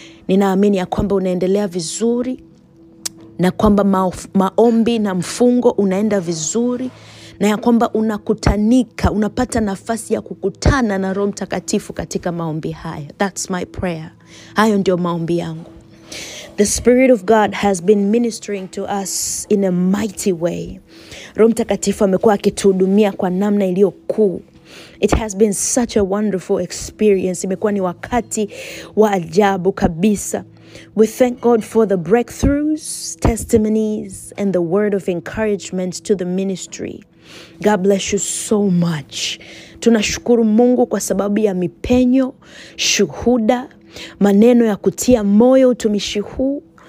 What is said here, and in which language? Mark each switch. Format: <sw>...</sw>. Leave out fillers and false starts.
<sw>Ninaamini ya kwamba unaendelea vizuri na kwamba maombi na mfungo unaenda vizuri. Na ya kwamba unakutanika, unapata nafasi ya kukutana na Roho Mtakatifu katika maombi haya.</sw> <en>That's my prayer.</en> <sw>Hayo ndio maombi yangu.</sw> <en>The Spirit of God has been ministering to us in a mighty way.</en> <sw>Roho Mtakatifu amekuwa akituhudumia kwa namna iliyo kuu.</sw> <en>It has been such a wonderful experience.</en> <sw>Imekuwa ni wakati wa ajabu kabisa.</sw> <en>We thank God for the breakthroughs, testimonies, and the word of encouragement to the ministry. God bless you so much.</en> <sw>Tunashukuru Mungu kwa sababu ya mipenyo, shuhuda, maneno ya kutia moyo utumishi huu.</sw>